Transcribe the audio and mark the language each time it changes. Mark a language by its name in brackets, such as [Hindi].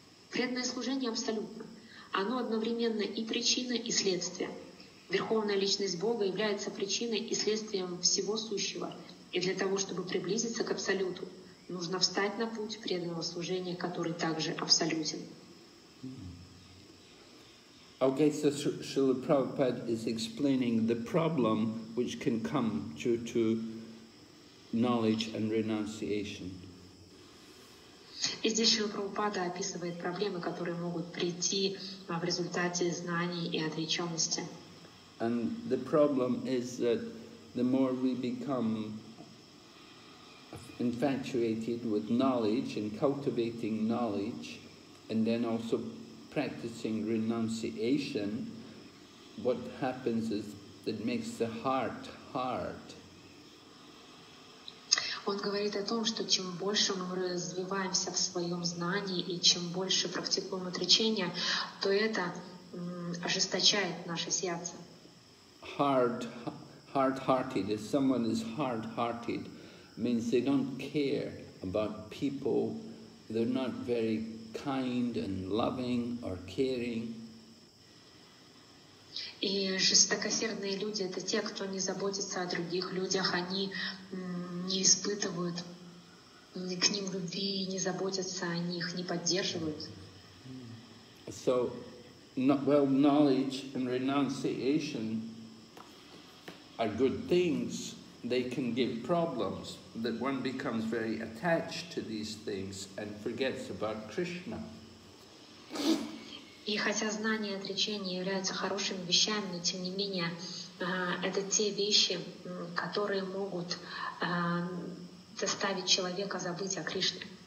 [Russian] Преданное служение абсолютно. Оно одновременно и причина, и следствие. Верховная Личность Бога является причиной и следствием всего сущего. И для того, чтобы приблизиться к абсолюту, нужно встать на путь преданного служения, который также абсолютен. [English] Okay, so Srila Prabhupada is explaining the problem which can come due to knowledge and renunciation. [Russian] И здесь Шрила Прабхупада описывает проблемы, которые могут прийти в результате знаний и отречённости. [English] And the problem is that the more we become infatuated with knowledge and cultivating knowledge, and then also practicing renunciation, what happens is it makes the heart hard. [Russian] Он говорит о том, что чем больше мы развиваемся в своем знании и чем больше практикуем отречение, то это ожесточает наше сердце. [English] Hard-hearted. If someone is hard-hearted, means they don't care about people. They're not very kind and loving or caring. [Russian] И жестокосердные люди — это те, кто не заботится о других людях, они не испытывают к ним любви, не заботятся о них, не поддерживают. [English] So, well, knowledge and renunciation are good things. They can give problems, that one becomes very attached to these things and forgets about Krishna. [Russian] И хотя знание и отречение являются хорошими вещами, но тем не менее это те вещи, которые могут заставить человека забыть о Кришне.